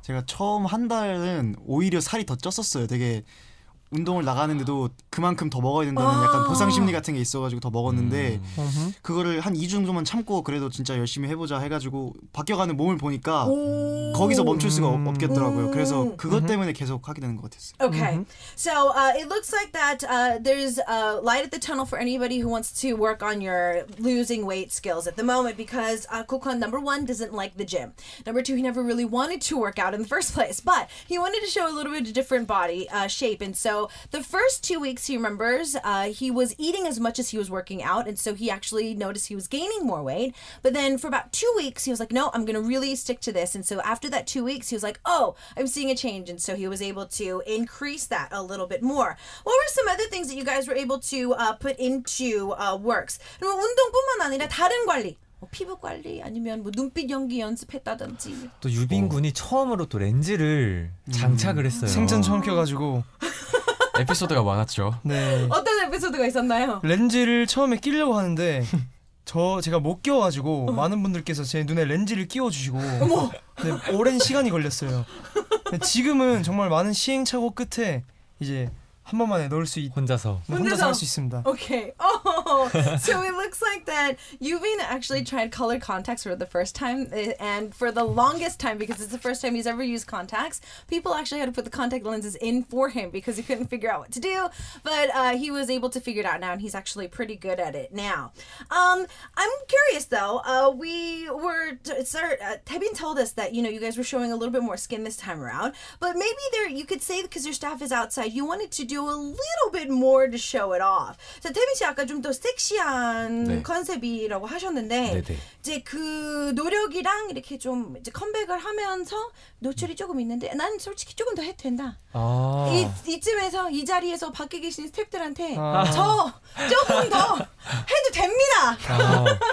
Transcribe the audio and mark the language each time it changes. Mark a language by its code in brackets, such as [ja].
[ko] 제가 처음 한 달은 오히려 살이 더 쪘었어요. 되게 운동을 나가는데도 그만큼 더 먹어야 된다는 약간 보상 심리 같은 게 있어가지고 더 먹었는데 그거를 한 2주 정도만 참고 그래도 진짜 열심히 해보자 해가지고 바뀌어가는 몸을 보니까 거기서 멈출 수가 없겠더라고요. 그래서 그것 때문에 계속 하게 되는 것 같았어요. [en] Okay, so it looks like that there's a light at the tunnel for anybody who wants to work on your losing weight skills at the moment because Kukon number one doesn't like the gym. Number two, he never really wanted to work out in the first place, but he wanted to show a little bit of different body shape and. So the first 2 weeks, he remembers, he was eating as much as he was working out. And so he actually noticed he was gaining more weight. But then for about 2 weeks, he was like, no, I'm going to really stick to this. And so after that 2 weeks, he was like, oh, I'm seeing a change. And so he was able to increase that a little bit more. What were some other things that you guys were able to put into works? [ko] 운동뿐만 아니라 다른 관리. 뭐 피부 관리 아니면 뭐 눈빛 연기 연습했다든지 또 유빈 군이 처음으로 또 렌즈를 장착을 했어요. 생전 처음 껴가지고 에피소드가 많았죠. 네. 어떤 에피소드가 있었나요? 렌즈를 처음에 끼려고 하는데 제가 못 끼워가지고 많은 분들께서 제 눈에 렌즈를 끼워주시고 네, 오랜 시간이 걸렸어요. 지금은 정말 많은 시행착오 끝에 이제 한 번만에 넣을 수 있... 혼자서 할 수 있습니다. [en] Okay. Oh. So it looks like that Yubin actually tried colored contacts for the first time and for the longest time because it's the first time he's ever used contacts. People actually had to put the contact lenses in for him because he couldn't figure out what to do. But he was able to figure it out now and he's actually pretty good at it now. I'm curious though. We were... Taebin told us that, you know, you guys were showing a little bit more skin this time around. But maybe there you could say because your staff is outside, you wanted to do a little bit more to show it off. [ko] So, 태민 씨 아까 좀 더 섹시한 네. 컨셉이라고 하셨는데 네, 네. 이제 그 노력이랑 이렇게 좀 이제 컴백을 하면서 노출이 조금 있는데 난 솔직히 조금 더 해도 된다. 아. 이쯤에서 이 자리에서 밖에 계신 스태프들한테 아. 저 조금 더 해도 됩니다. 아.